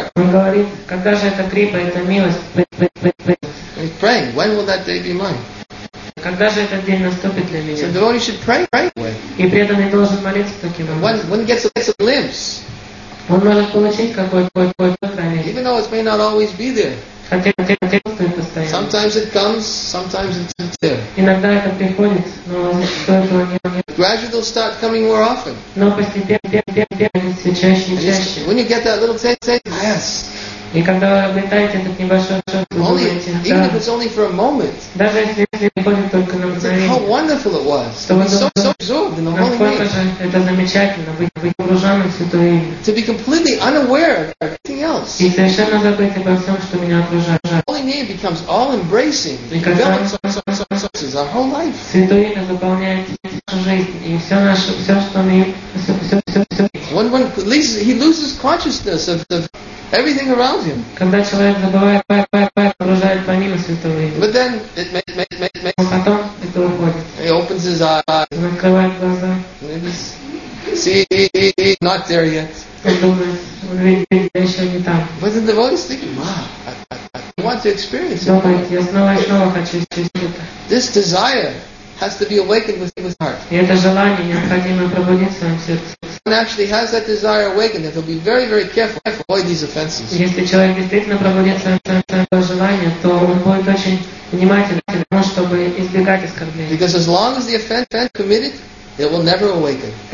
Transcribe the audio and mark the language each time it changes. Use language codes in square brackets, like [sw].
[ru] Он говорит, когда же эта крипа, эта милость? [en] He's praying, when will that day be mine? [ru] Когда же этот день наступит для меня? [en] So the devotee should pray right away. [ru] И преданный должен молиться таким образом. [en] When gets a glimpse. [ru] Он может получить какое-то откровение. [en] Even though it may not always be there. [ru] Хотя [en] sometimes it comes, sometimes it's not there. [ru] Иногда это приходит, но зачастую этого не будет. [en] Gradually it'll start coming more often. [ru] Но постепенно все чаще и чаще. [en] When you get that little taste, yes. [ru] И когда вы обретаете этот небольшой шаг, вы думаете, да. [en] Even if it's only for a moment. [ru] Даже если это приходит только на мгновение. [en] How wonderful it was. To be so absorbed in the holy name. [ru] Насколько же это замечательно, быть погруженным в Святое Имя. [en] To be completely unaware of everything else. [ru] И совершенно забыть обо всем, что меня окружает. [en] The holy name becomes all embracing. [ru] И когда [en] our whole life. [ru] Святое Имя заполняет нашу жизнь и все наше, все, что мы, все. [en] When one loses, he loses consciousness of the everything around him. [ru] Когда человек забывает, погружает помимо Святого Имени. [en] But then it may. [ru] Потом это уходит. [en] He opens his eyes. [ru] Он открывает глаза. [en] See, not there yet. [ru] Он думает, он видит, я еще не там. [en] But the devotee is thinking, wow, I want to experience it. This desire has to be awakened within his heart. Someone actually has that desire awakened, that they'll be very, very careful to avoid these offenses. Because as long as the offense is committed, it will never awaken.